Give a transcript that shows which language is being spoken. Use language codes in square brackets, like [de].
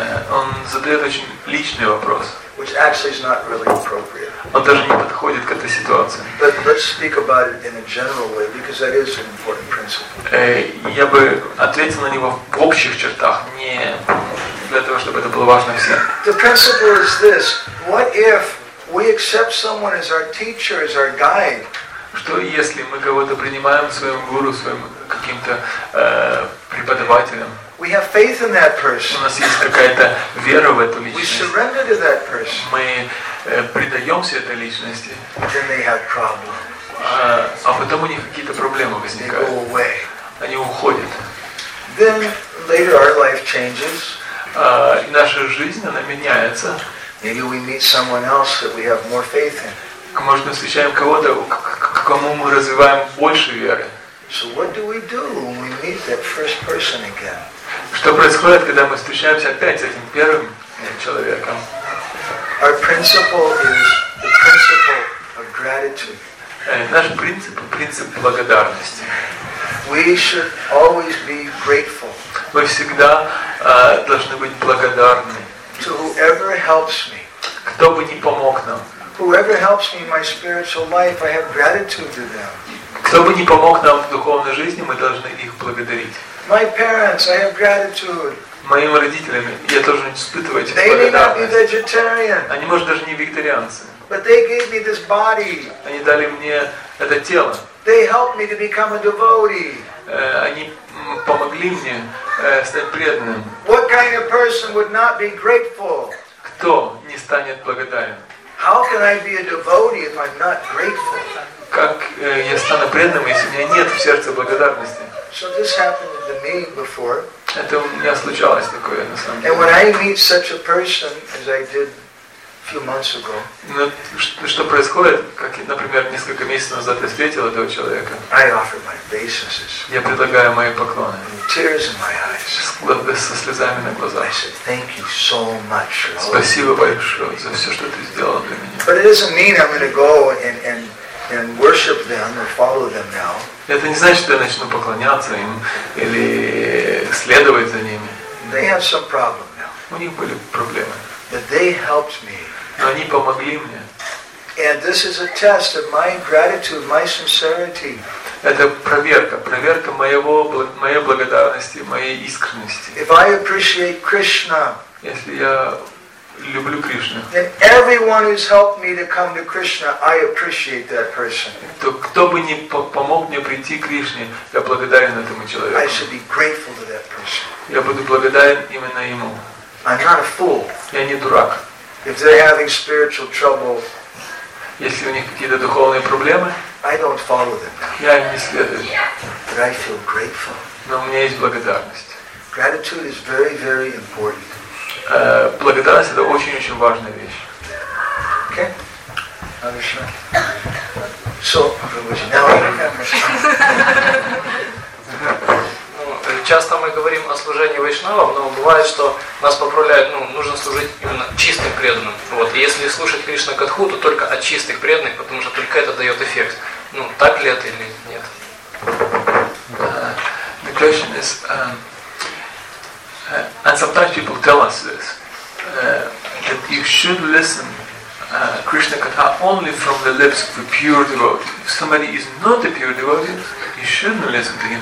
[ru] Он задает очень личный вопрос. [en] Which actually is not really appropriate. [ru] Он даже не подходит к этой ситуации. [en] But let's speak about it in a general way, because that is an important principle. [ru] Я бы ответил на него в общих чертах, не для того, чтобы это было важно всем. [en] The principle is this: what if we accept someone as our teacher, as our guide? [ru] Что если мы кого-то принимаем своим гуру, своим каким-то преподавателем? [en] We have faith in that person. [ru] У нас есть какая-то вера в эту личность. [en] We surrender to that person. [ru] Мы предаемся этой личности. [en] Then they have problems. [ru] А потом у них какие-то проблемы возникают. [en] They go away. [ru] Они уходят. [en] Then later our life changes. [ru] И наша жизнь, она меняется. [en] Maybe we meet someone else that we have more faith in. [ru] Может, мы встречаем кого-то, к кому мы развиваем больше веры. [en] So what do we do when we meet that first person again? [ru] Что происходит, когда мы встречаемся опять с этим первым человеком? [en] Our principle is the principle of gratitude. [ru] Наш принцип благодарности. [en] We should always be grateful. [ru] Мы всегда должны быть благодарны. [en] To whoever helps me. [ru] Кто бы ни помог нам. [en] Whoever helps me in my spiritual life, I have gratitude to them. [ru] Кто бы ни помог нам в духовной жизни, мы должны их благодарить. [en] My parents, I have gratitude. [ru] Моим родителям я тоже испытываю эти благодарность. Они, может, даже не вегетарианцы. [en] But they gave me this body. [ru] Они дали мне это тело. [en] They helped me to become a devotee. [ru] Они помогли мне стать преданным. [en] What kind of person would not be grateful? [ru] никто не станет благодарен? [en] How can I be a devotee if I'm not grateful? [ru] Как я стану преданным, если у меня нет в сердце благодарности? [en] So this happened to me before. [ru] Это у меня случалось такое, на самом деле. [en] And when I meet such a person as I did few months ago. [ru] Ну, что происходит, как, например, несколько месяцев назад я встретил этого человека. [en] I offer my obeisances. [ru] Я предлагаю мои поклоны. [en] Tears in my eyes. [ru] Со слезами на глазах. [en] I said, thank you so much. [ru] Спасибо большое за все, что ты сделал для меня. [en] But it doesn't mean I'm going to go and worship them or follow them now. [ru] Это не значит, что я начну поклоняться им или следовать за ними. [en] They have some problem now. [ru] У них были проблемы. [en] That they helped me. [ru] Но они помогли мне. [en] And this is a test of my gratitude, my sincerity. [ru] Это проверка моей благодарности, моей искренности. [en] If I appreciate Krishna. [ru] Если я люблю Кришну. [en] Then everyone who's helped me to come to Krishna, I appreciate that person. [ru] То кто бы ни помог мне прийти к Кришне, я благодарен этому человеку. [en] I should be grateful to that person. [ru] Я буду благодарен именно ему. [en] I'm not a fool. [ru] Я не дурак. [en] If they're having spiritual trouble, [ru] если у них какие-то духовные проблемы, [en] I don't follow them. [ru] Я им не следую. [en] But I feel grateful. [ru] Но у меня есть благодарность. [en] Gratitude is very, very important. [ru] Благодарность — это очень-очень важная вещь. [en] Okay. Хорошо. So, now I have [ru] часто мы говорим о служении вайшнавам, но бывает, что нас поправляют, ну, нужно служить именно чистым преданным. Вот. И если слушать Кришна Катху, то только от чистых преданных, потому что только это дает эффект. Ну, так ли это или нет? [en] The question is, and sometimes people tell us this, that you should listen Krishna Katha only from the lips of a pure devotee. If somebody is not a pure devotee, you shouldn't listen to him.